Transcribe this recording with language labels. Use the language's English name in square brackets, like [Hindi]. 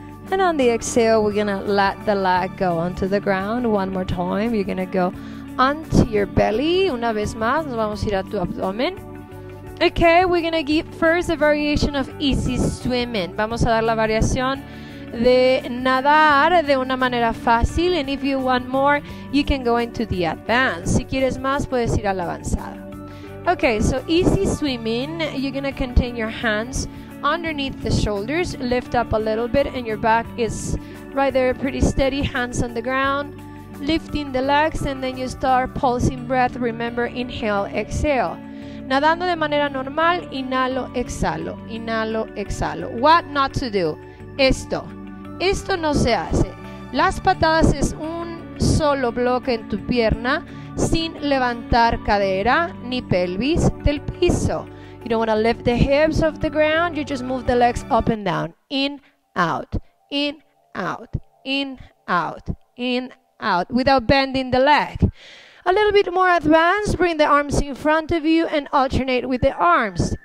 [English] And on the exhale, we're gonna let the leg go onto the ground. One more time, you're gonna go onto your belly. [Spanish] Una vez más, nos vamos a ir a tu abdomen. [English] Okay, we're gonna give first a variation of easy swimming. [Spanish] Vamos a dar la variación de nadar de una manera fácil. [English] And if you want more, you can go into the advanced. [Spanish] Si quieres más, puedes ir a la avanzada. [English] Okay, so easy swimming. You're gonna contain your hands underneath the shoulders. Lift up a little bit and your back is right there pretty steady. Hands on the ground. Lifting the legs and then you start pulsing breath. Remember, inhale, exhale. [Spanish] Nadando de manera normal, inhalo, exhalo, inhalo, exhalo. [English] What not to do? [Spanish] Esto no se hace. Las patadas es un solo bloque en tu pierna sin levantar cadera ni pelvis del piso. [English] You don't want to lift the hips off the ground, you just move the legs up and down. In, out, in, out, in, out, in, out, without bending the leg. A little bit more advanced, bring the arms in front of you and alternate with the arms.